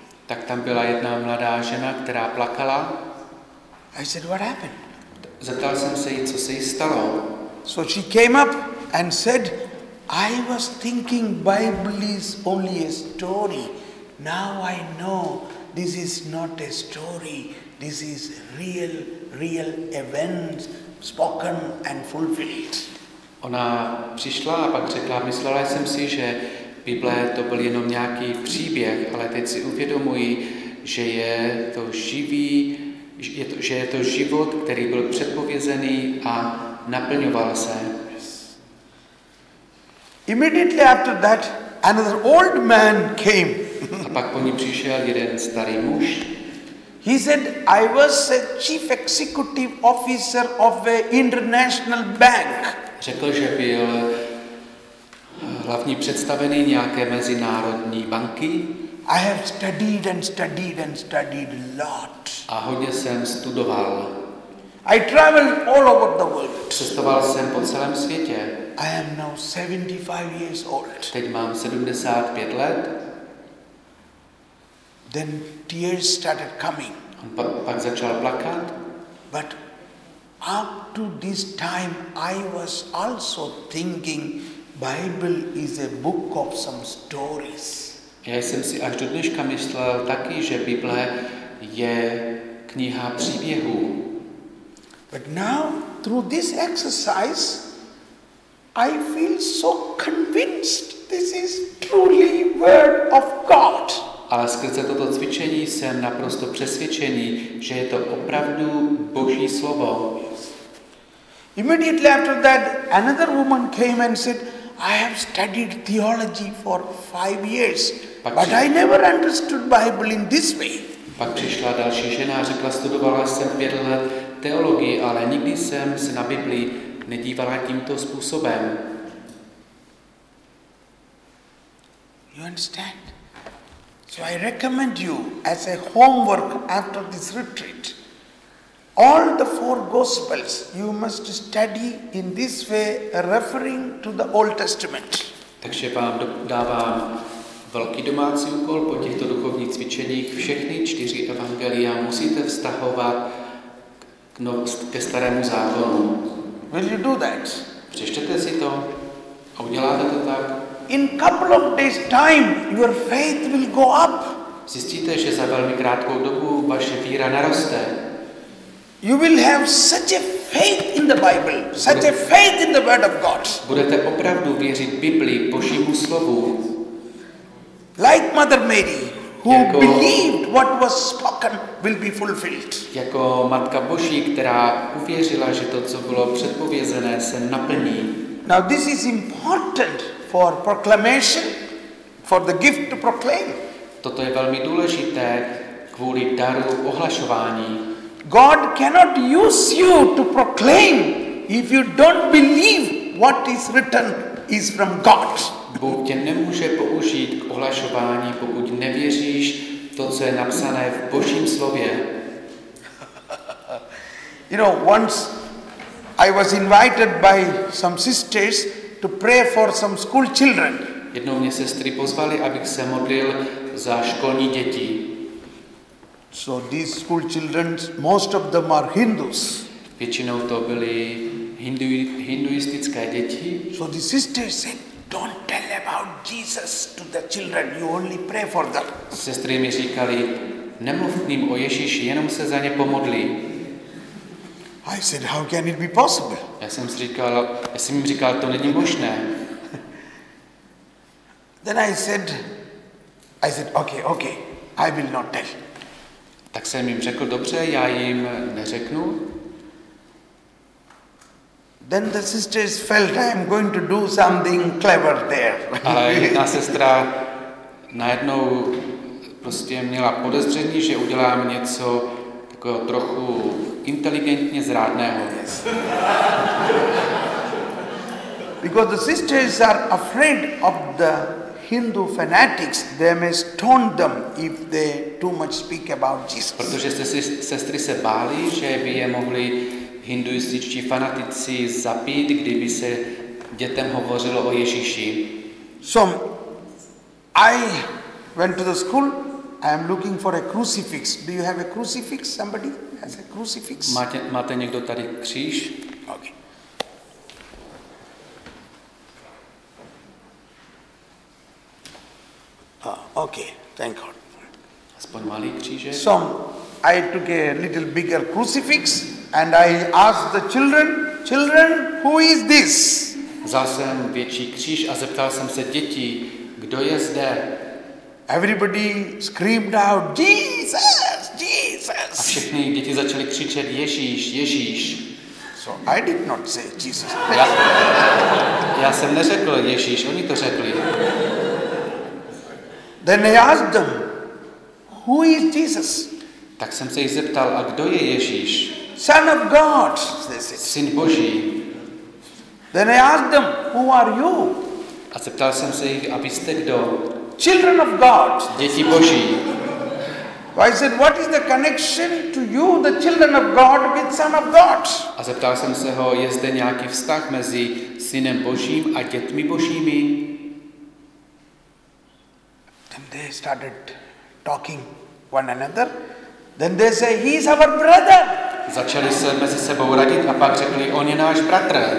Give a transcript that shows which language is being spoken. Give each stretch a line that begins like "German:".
Czech: Tak tam byla jedna mladá žena, která plakala.
English: I said, what happened?
Czech: Zeptal jsem se jí, co se jí stalo.
English: So she came up and said, I was thinking Bible is only a story. Now I know this is not a story. This is real, real events spoken and fulfilled.
Czech: Ona přišla a pak řekla, myslela jsem si, že Bible to byl jenom nějaký příběh, ale teď si uvědomuji, že je to živý, že je to život, který byl předpovězený a naplňoval se.
English: Immediately after that, another old man came.
Czech: A pak po ní přišel jeden starý muž.
English: He said, I was a chief executive officer of an international bank.
Czech: Řekl, že byl hlavní představený nějaké mezinárodní banky.
English: I have studied and studied and studied a lot.
Czech: A hodně jsem studoval.
English: I traveled all over the world.
Czech: Cestoval jsem po celém světě.
English: I am now 75 years old.
Czech: Teď mám 75 let.
English: Then tears started coming.
Czech: On pak začal plakat.
English: But up to this time I was also thinking Bible is a book of some stories.
Czech: Já jsem si až do dneška myslel taky, že Bible je kniha příběhů.
English: But now through this exercise I feel so convinced this is truly word of God.
Czech: Ale skrze toto cvičení jsem naprosto přesvědčený, že je to opravdu Boží slovo.
English: Immediately after that another woman came and said, I have studied theology for 5 years, but I never understood Bible in this way.
Czech: Pak přišla další žena a řekla, studovala jsem 5 let teologii, ale nikdy jsem se na Bibli nedívala tímto způsobem.
English: You understand? So I recommend you as a homework after this retreat. All the four gospels you must study in this way, referring to the Old Testament.
Czech: Takže vám dávám velký domácí úkol po těchto duchovních cvičeních. Všechny čtyři evangelia musíte vztahovat ke starému zákonu.
English: Will you do that?
Czech: Přečtěte si to a uděláte to tak.
English: In couple of days time your faith will go up.
Czech: Zjistíte, že za velmi krátkou dobu vaše víra naroste.
English: You will have such a faith in the Bible, such a faith in the word of God.
Czech: Budete opravdu věřit Biblii, Božímu slovu.
English: Like Mother Mary, who believed what was spoken will be fulfilled.
Czech: Jako Matka Boží, která uvěřila, že to, co bylo předpovězené, se naplní.
English: Now this is important for proclamation, for the gift to proclaim.
Czech: Toto je velmi důležité kvůli daru ohlašování.
English: God cannot use you to proclaim if you don't believe what is written is from God.
Czech: Bůh tě nemůže použít k ohlašování, pokud nevěříš to, co je napsané v Božím slově.
English: You know, once I was invited by some sisters to pray for some school children.
Czech: Jednou mě sestry pozvali, abych se modlil za školní děti.
English: So these school children, most of them are Hindus.
Czech: Většinou to byly hinduistické děti.
English: So the sisters said, don't tell about Jesus to the children, you only pray for them.
Czech: Sestry mi říkali, nemluv ním o Ježíši, jenom se za ně pomodlí.
English: I said, how can it be possible?
Czech: Já jsem jim říkal, to není možné.
English: Then I said, okay, I will not tell.
Czech: Tak jsem jim řekl, dobře, já jim neřeknu.
English: Then the sisters felt I am going to do something clever there.
Czech: Ale jedna sestra najednou prostě měla podezření, že udělám něco takového trochu inteligentně zrádného.
English: Yes. Because the sisters are afraid of the Hindu fanatics, they may stone them if they too much speak about Jesus. Protože sestry se bály, že by je mohli hinduističtí fanatici zabít, kdyby se dětem hovořilo o Ježíši. So, I went to the school. I am looking for a crucifix. Do you have a crucifix? Somebody has a crucifix?
Czech: Máte někdo tady kříž?
English: Okay. Okay, thank God.
Czech: Aspoň malý křížek.
English: Some I took a little bigger crucifix and I asked the children, children, who is this?
Czech: Vzal jsem větší kříž a zeptal jsem se dětí, kdo je zde?
English: Everybody screamed out, Jesus, Jesus.
Czech: A všechny děti začaly křičet, Ježíš, Ježíš.
English: So I did not say Jesus.
Czech: Já jsem neřekl Ježíš, oni to řekli.
English: Then I asked them, who is Jesus?
Czech: Tak jsem se jich zeptal, a kdo je Ježíš?
English: Son of God, they said.
Czech: Syn Boží.
English: Then I asked them, who are you?
Czech: A zeptal jsem se jich, abyste kdo?
English: Children of God.
Czech: Děti Boží.
English: I said, what is the connection to you, the children of God, with Son of God?
Czech: A zeptal jsem se ho, je zde nějaký vztah mezi Synem Božím a dětmi Božími?
English: Then they started talking one another. Then they say, he is our brother.
Czech: Začali se mezi sebou radit a pak řekli, on je náš bratr.